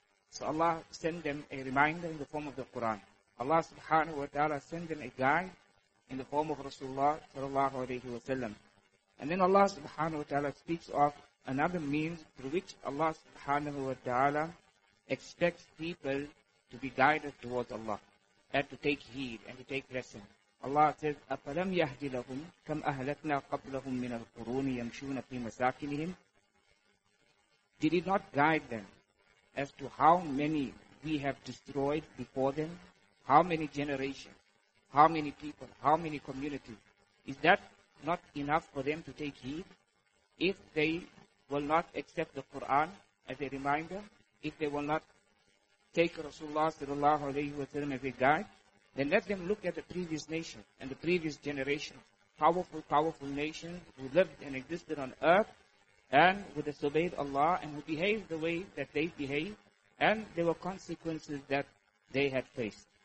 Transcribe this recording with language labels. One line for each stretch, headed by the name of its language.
English: So Allah sent them a reminder in the form of the Quran. Allah subhanahu wa ta'ala sent them a guide in the form of Rasulullah sallallahu alayhi wa sallam. And then Allah subhanahu wa ta'ala speaks of another means through which Allah subhanahu wa ta'ala expects people to be guided towards Allah and to take heed and to take lesson.
Arabic: Allah says, أَفَلَمْ يَهْدِ لَهُمْ كَمْ أَهْلَكْنَا قَبْلَهُمْ مِنَ الْقُرُونِ يَمْشُونَ فِي مَسَاكِنِهِمْ.
English: Did it not guide them as to how many we have destroyed before them? How many generations? How many people? How many communities? Is that not enough for them to take heed? If they will not accept the Quran as a reminder, if they will not take Rasulullah sallallahu alayhi wa sallam as a guide, then let them look at the previous nation and the previous generation, powerful, powerful nations who lived and existed on earth and who disobeyed Allah and who behaved the way that they behaved, and there were consequences that they had faced.